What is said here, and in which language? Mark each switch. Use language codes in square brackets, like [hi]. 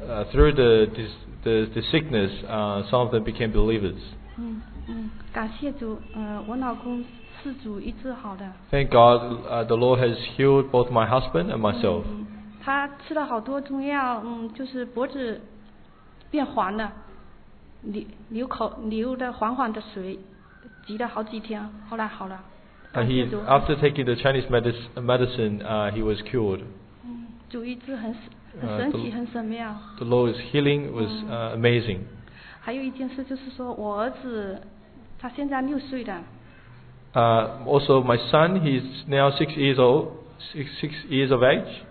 [en] Through the sickness, some of them became believers. [zh] 感谢主，我老公是主医治好的。 [en] Thank God, the Lord has healed both my husband and myself. [zh] 他吃了好多中药，就是脖子变黄了，流的黄黄的水，急了好几天，后来好了。 [en] After taking the Chinese medicine, he was cured. [zh] 主医治很神奇，很神妙。 [en] The Lord's healing was amazing. [zh] 还有一件事就是说，我儿子他现在六岁的。 [en] Also, my son, he's now 6 years old, six years of age.